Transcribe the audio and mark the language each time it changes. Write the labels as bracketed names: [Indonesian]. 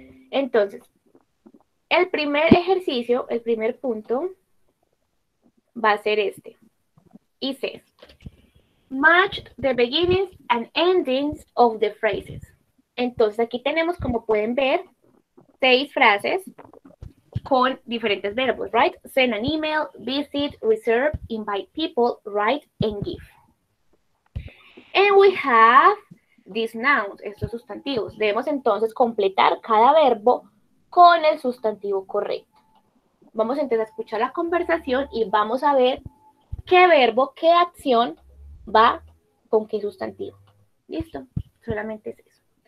[Spanish] Entonces, el primer ejercicio, el primer punto, va a ser este. [English] It says, match the beginnings and endings of the phrases. [Spanish] Entonces aquí tenemos, como pueden ver, seis frases con diferentes verbos, right? [English] Send an email, visit, reserve, invite people, write, and give. And we have these nouns, [Spanish] estos sustantivos. Debemos entonces completar cada verbo con el sustantivo correcto. Vamos entonces a escuchar la conversación y vamos a ver qué verbo, qué acción va con qué sustantivo. ¿Listo? Solamente es eso.